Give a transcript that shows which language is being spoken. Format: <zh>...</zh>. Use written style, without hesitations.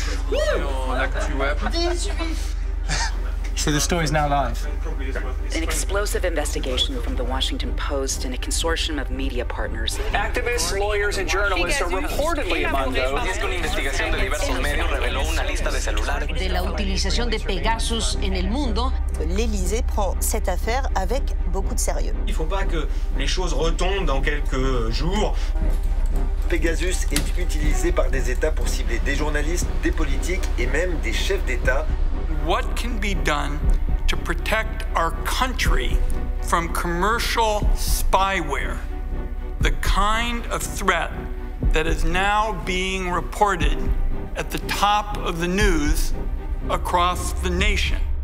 <en>Woo! On actue web. 18. So the story is now live. An explosive investigation from the Washington Post and a consortium of media partners. Activists, lawyers, and journalists are reportedly among those.</en> <es>De la utilización de Pegasus en el mundo.</es> <fr>L'Élysée prend cette affaire avec beaucoup de sérieux. Il ne faut pas que les choses retombent dans quelques jours. Pegasus est utilisé par des États pour cibler des journalistes, des politiques et même des chefs d'État.</fr> <en>What can be done to protect our country from commercial spyware, the kind of threat that is now being reported at the top of the news across the nation?</en>